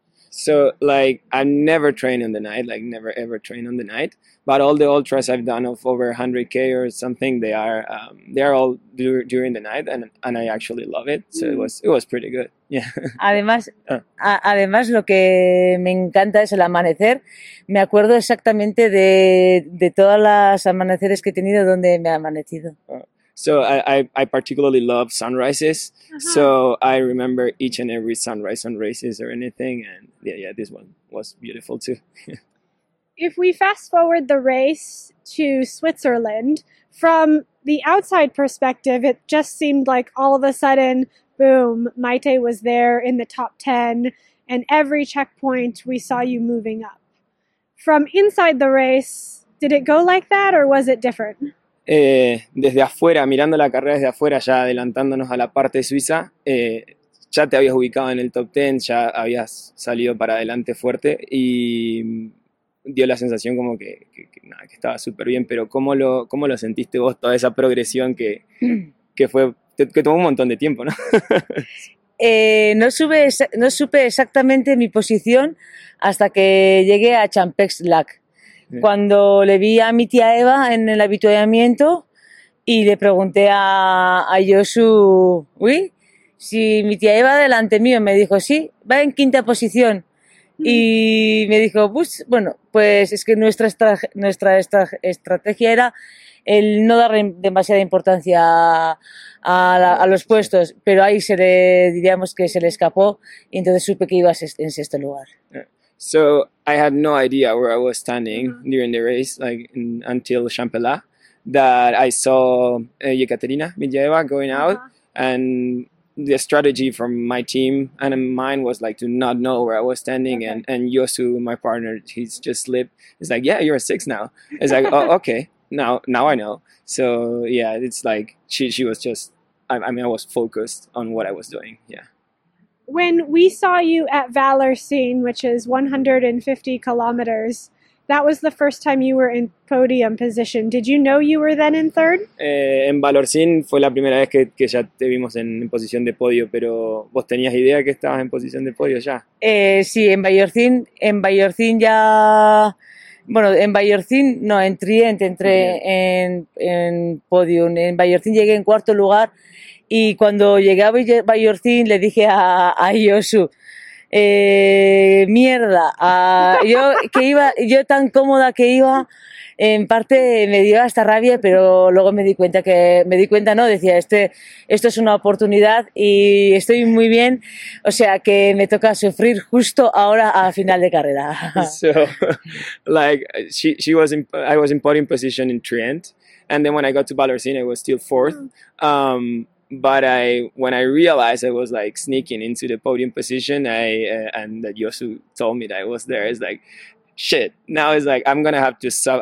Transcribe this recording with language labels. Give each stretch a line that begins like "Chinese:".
English: So, like, I never train on the night, like, never ever train on the night, but all the ultras I've done of over 100K or something, they are all during the night, and I actually love it, so it was pretty good, yeah.
Spanish: Además, lo que me encanta es el amanecer. Me acuerdo exactamente de todas las amaneceres que he tenido donde me ha amanecido.
English: So I particularly love sunrises. Uh-huh. So I remember each and every sunrise on races or anything. And yeah, this one was beautiful too. If we fast forward the race to Switzerland, from the outside perspective, it just seemed like all of a sudden, boom, Maite was there in the top 10. And every checkpoint, we saw you moving up. From inside the race, did it go like that or was it different?
Spanish: Desde afuera, mirando la carrera desde afuera, ya adelantándonos a la parte suiza, ya te habías ubicado en el top 10, ya habías salido para adelante fuerte y dio la sensación como que estaba súper bien. Pero ¿cómo lo sentiste vos, toda esa progresión que tomó un montón de tiempo, ¿no? No supe exactamente mi posición hasa que llegué a Champex-Lac. Cuando le vi a mi tía Eva en el avituallamiento y le pregunté a Josu, uy, si mi tía Eva delante mío, me dijo, sí, va en quinta posición. Y me dijo, pues, bueno, pues es que nuestra estrategia era el no dar demasiada importancia a los puestos, pero ahí se le, diríamos que se le escapó y entonces supe que ibas en sexto lugar.
English: So I had no idea where I was standing during the race, like until Champela, that I saw Yekaterina Villeva going out, and the strategy from my team and mine was like to not know where I was standing, okay. And Josu, my partner, he's just slipped. He's like, yeah, you're a six now. It's like, oh, okay, now I know. So yeah, it's like she was just, I was focused on what I was doing, yeah. When we saw you at Valersine, which is 150 kilometers, that was the first time you were in podium position. Did you know you were then in third?
Spanish: En Valersine fue la primera vez que ya te vimos en posición de podio, pero vos tenías idea que estabas en posición de podio ya. Sí, en podium. En Valersine llegué en cuarto lugar. Y cuando llegué a Valersine le dije a Josu, mierda, yo tan cómoda que iba, en parte me dio hasta rabia, pero luego me di cuenta, decía, esto es una oportunidad y estoy muy bien, o sea que me toca sufrir justo ahora a final de carrera.
English: So, like, I was in podium position in Trient, and then when I got to Valersine I was still fourth. But when I realized I was like sneaking into the podium position, and that Josu told me that I was there, it's like, shit, now it's like I'm gonna have to stop.